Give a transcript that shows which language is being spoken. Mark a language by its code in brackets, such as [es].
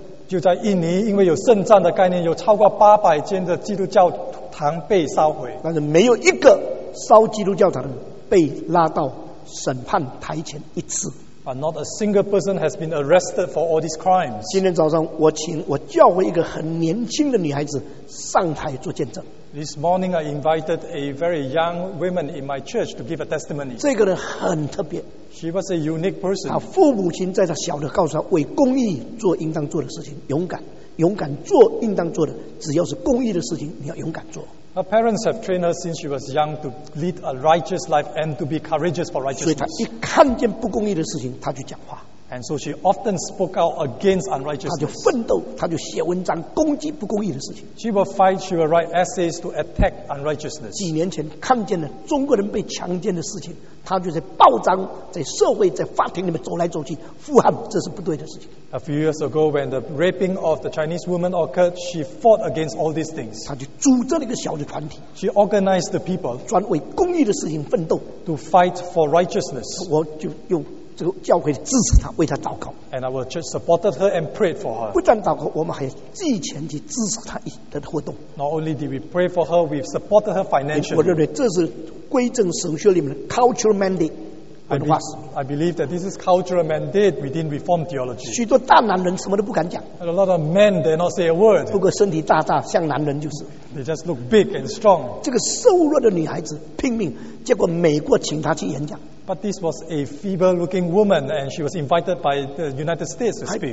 [zh] 就在印尼，因为有圣战的概念，有超过800间的基督教堂被烧毁。但是没有一个烧基督教堂的被拉到审判台前一次。 [en] But not a single person has been arrested for all these crimes. [zh] 今天早上，我请我教会一个很年轻的女孩子上台做见证。 [en] This morning, I invited a very young woman in my church to give a testimony. [zh] 这个人很特别。 [en] She was a unique person. [zh] 她父母亲在她小的告诉她，为公益做应当做的事情，勇敢，勇敢做应当做的，只要是公益的事情，你要勇敢做。 [en] Her parents have trained her since she was young to lead a righteous life and to be courageous for righteousness. [zh] 所以她一看见不公益的事情，她就讲话。 [en] And so she often spoke out against unrighteousness. She will fight, she will write essays to attack unrighteousness. [zh] 几年前看见了中国人被强奸的事情, 她就在报章, 在社会, 在法庭里面走来走去, 复汉, [en] A few years ago, when the raping of the Chinese woman occurred, she fought against all these things. [zh] 她就组织了一个小的团体, [en] she organized the people [zh] 专为公义的事情奋斗, [en] to fight for righteousness. [zh] 我就用 这个教会支持她为她祷告 [en] and our church supported her and prayed for her [zh] 不但祷告 我们还寄钱去支持她的活动 [en] not only did we pray for her we've supported her financially [zh] 我认为这是归正神学里面的 cultural mandate [en] I believe that this is cultural mandate within Reformed theology. [zh] 许多大男人什么都不敢讲. [en] And a lot of men dare not say a word. [zh] 不过身体大大像男人就是. [en] They just look big and strong. [zh] 这个瘦弱的女孩子拼命，结果美国请她去演讲. [en] But this was a feeble-looking woman, and she was invited by the United States to speak.